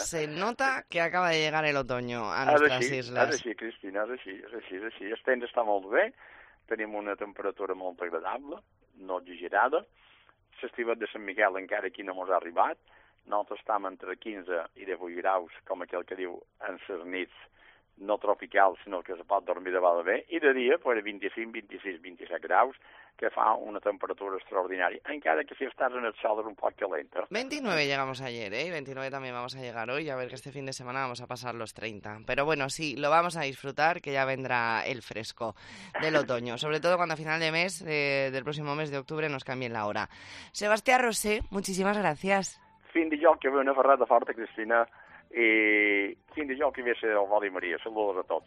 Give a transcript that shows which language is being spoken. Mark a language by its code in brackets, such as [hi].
[es] Se nota que acaba de llegar el otoño a nostres islas. [ca] És així, Cristina, és així. El temps està molt bé, tenim una temperatura molt agradable, no exagerada. L'estivet de Sant Miquel encara aquí no mos ha arribat. Nosaltres estem entre 15 i 18 graus, com aquell que diu, en ses nits, no tropicals, sinó que se pot dormir de bada bé, i de dia, per 25, 26, 27 graus, que fa una temperatura extraordinària, encara que si estàs en el sol és un poc calenta. [es] 29 llegamos ayer, ¿eh? 29 también vamos a llegar hoy, a ver que este fin de semana vamos a pasar los 30. Pero bueno, sí, lo vamos a disfrutar, que ya vendrá el fresco del otoño, sobre todo cuando a final de mes, del próximo mes de octubre, nos cambien la hora. Sebastián Rosé, muchísimas gracias. [ca] Fin de joc, que ve una ferrada forta, Cristina, y fin de joc, que ve el Vali María. [es] Saludos a todos.